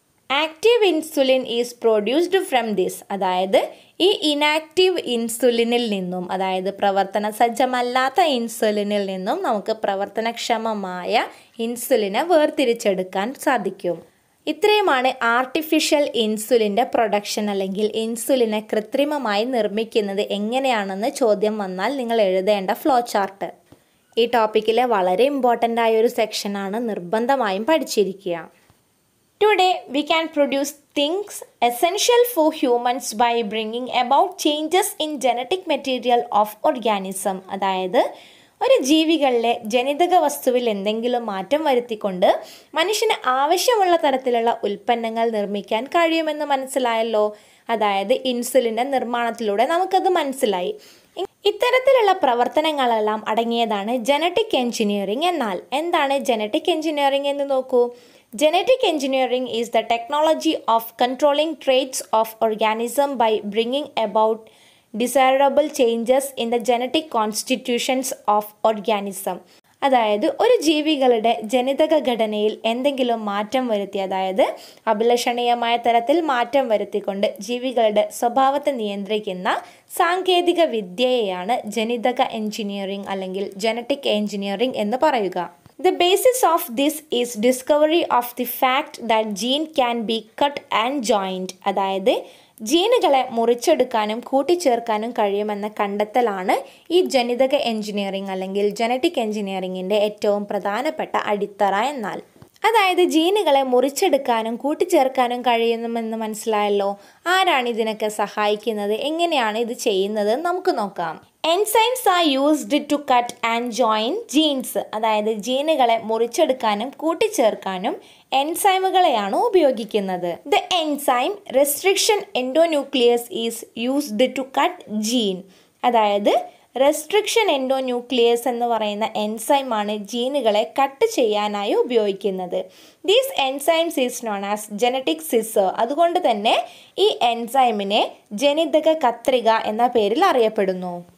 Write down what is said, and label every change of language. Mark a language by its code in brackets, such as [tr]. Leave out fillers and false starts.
[en] Active insulin is produced from this. [ml] അതായത് ഈ inactive ഇൻസുലിനിൽ നിന്നും, അതായത് പ്രവർത്തന സജ്ജമല്ലാത്ത ഇൻസുലിനിൽ നിന്നും നമുക്ക് പ്രവർത്തനക്ഷമമായ ഇൻസുലിനെ വേർതിരിച്ചെടുക്കാൻ സാധിക്കും. ഇത്രയുമാണ് ആർട്ടിഫിഷ്യൽ ഇൻസുലിൻ്റെ പ്രൊഡക്ഷൻ അല്ലെങ്കിൽ ഇൻസുലിനെ കൃത്രിമമായി നിർമ്മിക്കുന്നത് എങ്ങനെയാണെന്ന് ചോദ്യം വന്നാൽ നിങ്ങൾ എഴുതേണ്ട ഫ്ലോ ചാർട്ട്. ഈ ടോപ്പിക്കിലെ വളരെ ഇമ്പോർട്ടൻ്റ് ആയൊരു സെക്ഷനാണ്, നിർബന്ധമായും പഠിച്ചിരിക്കുക. [en] Today, we can produce things essential for humans by bringing about changes in genetic material of organism. [ml] അതായത് ഒരു ജീവികളിലെ ജനിതക വസ്തുവിൽ എന്തെങ്കിലും മാറ്റം വരുത്തിക്കൊണ്ട് മനുഷ്യന് ആവശ്യമുള്ള തരത്തിലുള്ള ഉൽപ്പന്നങ്ങൾ നിർമ്മിക്കാൻ കഴിയുമെന്ന് മനസ്സിലായല്ലോ. അതായത് ഇൻസുലിൻ്റെ നിർമ്മാണത്തിലൂടെ നമുക്കത് മനസ്സിലായി. ഇത്തരത്തിലുള്ള പ്രവർത്തനങ്ങളെല്ലാം അടങ്ങിയതാണ് ജനറ്റിക് എഞ്ചിനീയറിംഗ്. എന്നാൽ എന്താണ് ജനറ്റിക് എഞ്ചിനീയറിംഗ് എന്ന് നോക്കൂ. [en] Genetic engineering is the technology of controlling traits of organism by bringing about desirable changes in the genetic constitutions of organism. [ml] അതായത് ഒരു ജീവികളുടെ ജനിതക ഘടനയിൽ എന്തെങ്കിലും മാറ്റം വരുത്തി, അതായത് അഭിലഷണീയമായ തരത്തിൽ മാറ്റം വരുത്തിക്കൊണ്ട് ജീവികളുടെ സ്വഭാവത്തെ നിയന്ത്രിക്കുന്ന സാങ്കേതിക വിദ്യയെയാണ് ജനിതക എഞ്ചിനീയറിംഗ് അല്ലെങ്കിൽ ജനറ്റിക് എഞ്ചിനീയറിംഗ് എന്ന് പറയുക. [en] The basis of this is discovery of the fact that gene can be cut and joined. [ml] അതായത് ജീനുകളെ മുറിച്ചെടുക്കാനും കൂട്ടിച്ചേർക്കാനും കഴിയുമെന്ന കണ്ടെത്തലാണ് ഈ ജനിതക എഞ്ചിനീയറിംഗ് അല്ലെങ്കിൽ ജനറ്റിക് എഞ്ചിനീയറിംഗിൻ്റെ ഏറ്റവും പ്രധാനപ്പെട്ട അടിത്തറ. എന്നാൽ അതായത് ജീനുകളെ മുറിച്ചെടുക്കാനും കൂട്ടിച്ചേർക്കാനും കഴിയുമെന്ന് മനസ്സിലായല്ലോ. ആരാണ് ഇതിനൊക്കെ സഹായിക്കുന്നത്, എങ്ങനെയാണ് ഇത് ചെയ്യുന്നത് നമുക്ക് നോക്കാം. [en] Enzymes are used to cut and join genes. [ml] അതായത് ജീനുകളെ മുറിച്ചെടുക്കാനും കൂട്ടിച്ചേർക്കാനും എൻസൈമുകളെയാണ് ഉപയോഗിക്കുന്നത്. [en] The enzyme restriction endonucleus is used to cut gene. [ml] അതായത് റെസ്ട്രിക്ഷൻ എൻഡോന്യൂക്ലിയസ് എന്ന് പറയുന്ന എൻസൈമാണ് ജീനുകളെ കട്ട് ചെയ്യാനായി ഉപയോഗിക്കുന്നത്. [en] These enzymes is known as genetic scissor. [ml] അതുകൊണ്ട് തന്നെ ഈ എൻസൈമിനെ ജനിതക കത്രിക എന്ന പേരിൽ അറിയപ്പെടുന്നു.